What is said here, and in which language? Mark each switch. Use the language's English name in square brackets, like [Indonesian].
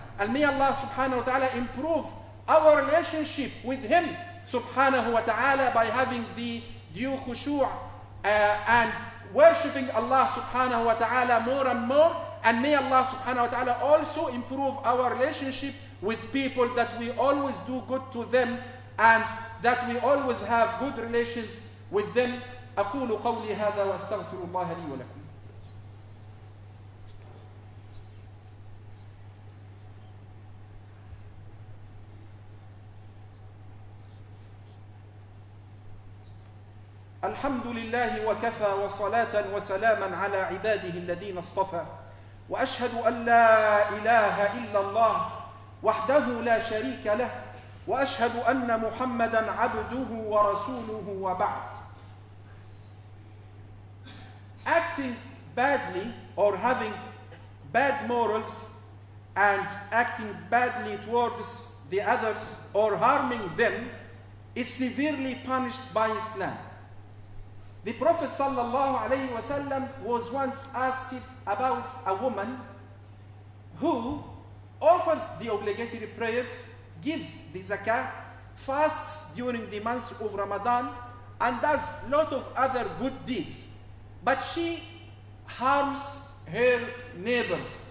[English] And may Allah subhanahu wa ta'ala improve our relationship with Him subhanahu wa ta'ala by having the due khushu' and worshipping Allah subhanahu wa ta'ala more and more. And may Allah subhanahu wa ta'ala also improve our relationship with people, that we always do good to them and that we always have good relations with them. [Arabic] أقول قولي هذا وأستغفر الله لي ولكم. الحمد لله وكفى وصلاة وسلاما على عباده الذين اصطفى، وأشهد أن لا إله إلا الله وحده لا شريك له، وأشهد أن محمدا عبده ورسوله. وبعد. [English] Acting badly or having bad morals and acting badly towards the others or harming them is severely punished by Islam. The Prophet sallallahu alayhi wa sallam was once asked about a woman who offers the obligatory prayers, gives the zakah, fasts during the month of Ramadan, and does a lot of other good deeds, but she harms her neighbors.